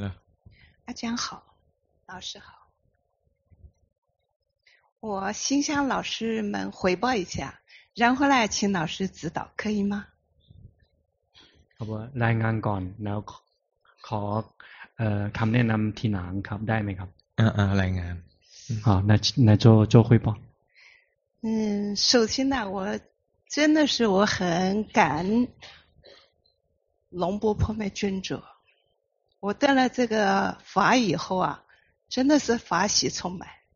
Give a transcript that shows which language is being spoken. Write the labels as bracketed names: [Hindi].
[Thai] หรออาจารย์ [Chinese] 好老师好我心向老师们回报一下然后来请老师指导可以吗 [Thai] ครับรายงานก่อนแล้วขอคำแนะนำทีหลังครับได้ไหมครับ รายงาน [Chinese] 好那做汇报首先呢我真的是我很感恩龙波婆妹尊者我得了这个法以后啊真的是法喜充满